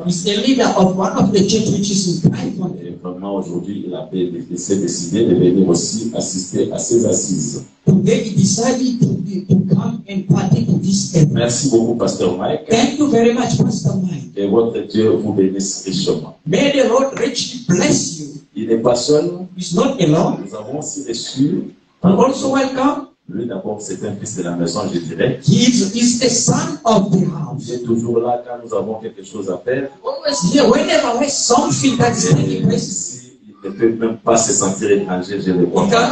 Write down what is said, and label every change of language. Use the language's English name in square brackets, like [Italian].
[French] Et vraiment aujourd'hui, il s'est décidé de venir aussi assister à ces assises. [English] Today he decided to come and party to this event. [French] Merci beaucoup, Pasteur Mike. [English] Thank you very much, Pasteur Mike. [French] Et votre Dieu vous bénisse richement. [English] May the Lord richly bless you. [French] Il n'est pas seul. [English] He's not alone. [French] Nous avons aussi reçu. [English] And also welcome. [French] Lui d'abord, c'est un fils de la maison, je dirais. [English] He's the son of the house. [French] Il est toujours là quand nous avons quelque chose à faire. [English] Always here, whenever we have something that's taking place. [French] Il ne peut même pas se sentir étranger, je le crois.